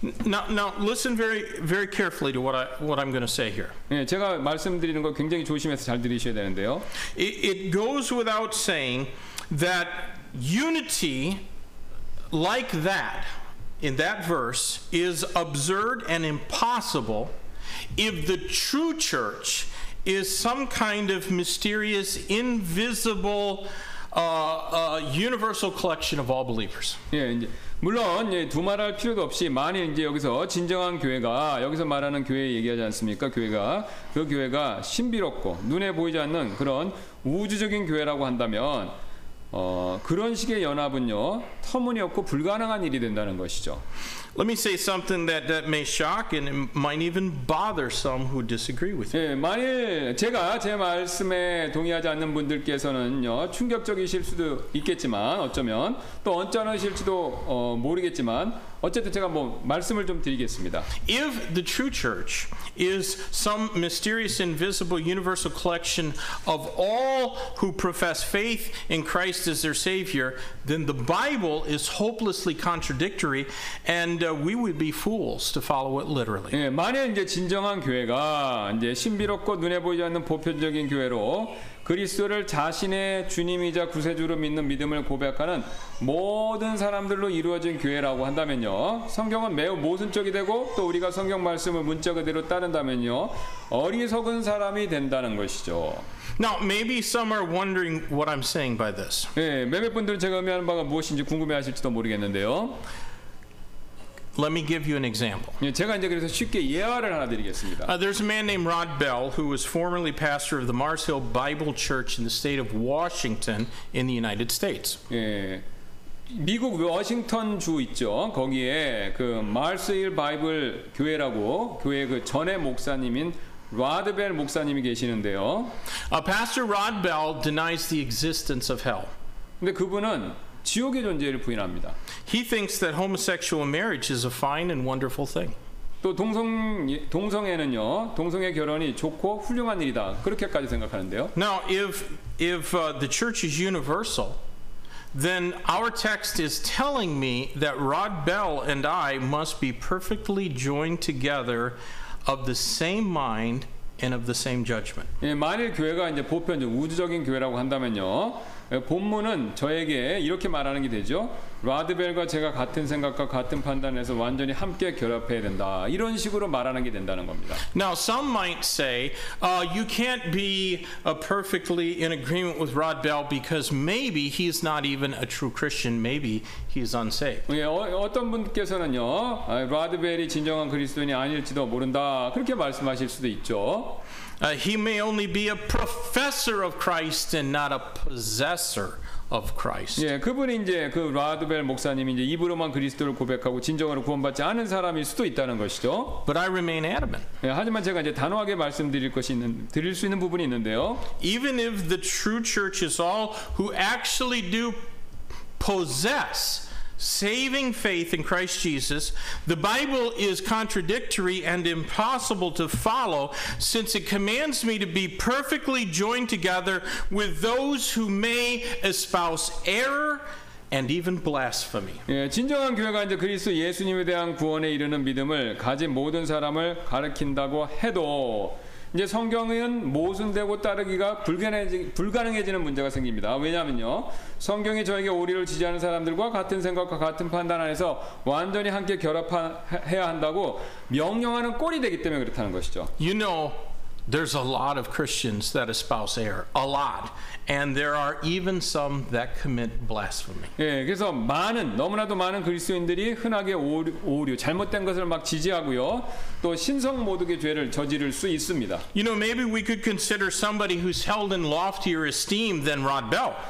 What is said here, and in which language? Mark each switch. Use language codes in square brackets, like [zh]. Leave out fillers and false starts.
[en] Now listen very carefully to what I'm going to say here. [ko] 예, 제가 말씀드리는 거 굉장히 조심해서 잘 들으셔야 되는데요. [en] It goes without saying that unity like that in that verse is absurd and impossible if the true church is some kind of mysterious, invisible, universal collection of all believers. [ko] 예, 이제 물론 예, 두 말할 필요도 없이 만일 이제 여기서 진정한 교회가 여기서 말하는 교회 얘기하지 않습니까? 교회가 그 교회가 신비롭고 눈에 보이지 않는 그런 우주적인 교회라고 한다면 그런 식의 연합은요 터무니없고 불가능한 일이 된다는 것이죠. [en] Let me say something that may shock and might even bother some who disagree with me. [ko] 예, 만일 제가 제 말씀에 동의하지 않는 분들께서는요 충격적이실 수도 있겠지만 어쩌면 또 언짢으실지도 모르겠지만 어쨌든 제가 뭐 말씀을 좀 드리겠습니다. [en] If the true church is some mysterious, invisible, universal collection of all who profess faith in Christ as their Savior, then the Bible is hopelessly contradictory, and we would be fools to follow it literally. [ko] 예, 만약 이제 진정한 교회가 이제 신비롭고 눈에 보이지 않는 보편적인 교회로 그리스도를 자신의 주님이자 구세주로 믿는 믿음을 고백하는 모든 사람들로 이루어진 교회라고 한다면요. 성경은 매우 모순적이 되고 또 우리가 성경 말씀을 문자 그대로 따른다면요. 어리석은 사람이 된다는 것이죠. [en] Now maybe some are wondering what I'm saying by this. [ko] 예, 몇몇 분들은 제가 의미하는 바가 무엇인지 궁금해 하실지도 모르겠는데요. [en] Let me give you an example. [ko] 예, 제가 이제 그래서 쉽게 예화를 하나 드리겠습니다. [en] There's a man named Rod Bell who was formerly pastor of the Mars Hill Bible Church in the state of Washington in the United States. [ko] 예. 미국 워싱턴 주 있죠. 거기에 그 마스 힐 바이블 교회라고 교회 그 전에 목사님인 로드벨 목사님이 계시는데요. [en] Pastor Rod Bell denies the existence of hell. [ko] 근데 그분은 지옥의 존재를 부인합니다. [en] He thinks that homosexual marriage is a fine and wonderful thing. [ko] 또 동성애는요. 동성애 결혼이 좋고 훌륭한 일이다. 그렇게까지 생각하는데요. [en] Now if the church is universal, then our text is telling me that Rod Bell and I must be perfectly joined together of the same mind and of the same judgment. [ko] 예, 만일 교회가 이제 보편적 우주적인 교회라고 한다면요. 본문은 저에게 이렇게 말하는 게 되죠. 라드벨과 제가 같은 생각과 같은 판단에서 완전히 함께 결합해야 된다. 이런 식으로 말하는 게 된다는 겁니다. [en] Now some might say, you can't be perfectly in agreement with Rod Bell because maybe he's not even a true Christian. Maybe he's unsaved. [ko] 예, 어떤 분께서는요, 라드벨이 진정한 그리스도인이 아닐지도 모른다. 그렇게 말씀하실 수도 있죠. [en] He may only be a professor of Christ and not a possessor of Christ. [ko] 예, 그분이 이제 그 라드벨 목사님이 이제 입으로만 그리스도를 고백하고 진정으로 구원받지 않은 사람일 수도 있다는 것이죠. [en] But I remain adamant. [ko] 예, 하지만 제가 이제 단호하게 말씀드릴 것이 있는 드릴 수 있는 부분이 있는데요. [en] Even if the true church is all who actually do possess saving faith in Christ Jesus, the Bible is contradictory and impossible to follow since it commands me to be perfectly joined together with those who may espouse error and even blasphemy. [ko] 예, 진정한 교회가 이제 그리스도 예수님에 대한 구원에 이르는 믿음을 가진 모든 사람을 가르친다고 해도 이제 성경은 모순되고 따르기가 불가능해지는 문제가 생깁니다. 왜냐하면요, 성경이 저에게 오리를 지지하는 사람들과 같은 생각과 같은 판단 안에서 완전히 함께 결합해야 한다고 명령하는 꼴이 되기 때문에 그렇다는 것이죠. [en] You know, there's a lot of Christians that espouse error, a lot, and there are even some that commit blasphemy. [ko] 예, 그래서 많은 너무나도 많은 그리스도인들이 흔하게 오류 잘못된 것을 막 지지하고요. 또 신성 모독의 죄를 저지를 수 있습니다. [en] You know, maybe we could consider somebody who's held in loftier esteem than Rod Bell.